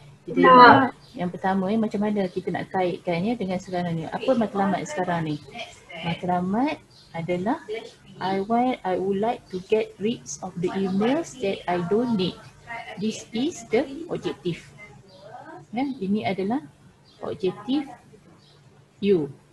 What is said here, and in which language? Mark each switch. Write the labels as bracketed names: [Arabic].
[Malay] Jadi nah, yang pertama ni macam mana kita nak kaitkan ya dengan sekarang ni? Apa matlamat sekarang ni? Matlamat adalah [English] I would like to get rid of the emails that I don't need. This is the objective. [Malay] Ya, ini adalah objektif you.